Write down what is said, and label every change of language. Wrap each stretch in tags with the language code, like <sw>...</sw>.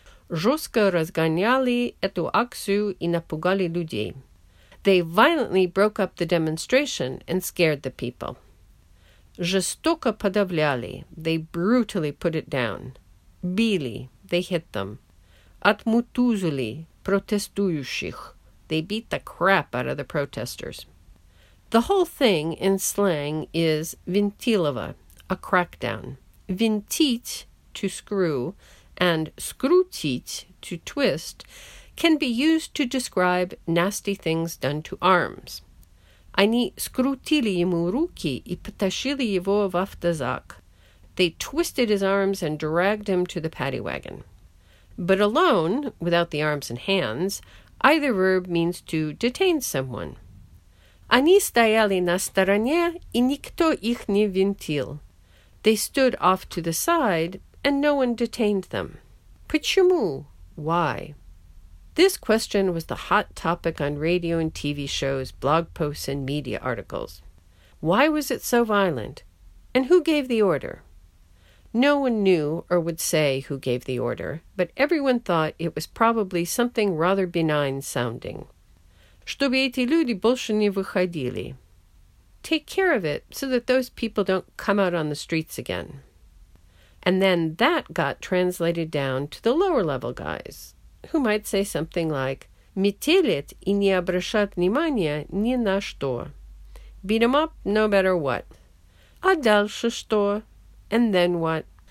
<ru>Жёстко разгоняли эту акцию и напугали людей.</ru> <en>They violently broke up the demonstration and scared the people.</en> <ru>Жестоко подавляли.</ru> <en>They brutally put it down.</en> <ru>Били.</ru> <en>They hit them.</en> <ru>Отмутузили протестующих.</ru> <en>They beat the crap out of the protesters. The whole thing in slang is винтилово, a crackdown. Винтить, to screw, and скрутить, to twist, can be used to describe nasty things done to arms.</en> <ru>Они скрутили ему руки и потащили его в автозак.</ru> <en>They twisted his arms and dragged him to the paddy wagon. But alone, without the arms and hands, either verb means to detain someone.</en> <ru>Они стояли на стороне, и никто их не винтил.</ru> <en>They stood off to the side, and no one detained them.</en> <ru>Почему?</ru> <en>Why? This question was the hot topic on radio and TV shows, blog posts, and media articles. Why was it so violent? And who gave the order? No one knew or would say who gave the order, but everyone thought it was probably something rather benign sounding.</en> <ru>Чтобы эти люди больше не выходили.</ru> <en>Take care of it so that those people don't come out on the streets again. And then that got translated down to the lower level guys, who might say something like,</en> <ru>Метелит и не обращат внимания ни на что.</ru> <en>Beat 'em up no matter what.</en> <ru>А дальше что?</ru> <en>And then what?</en>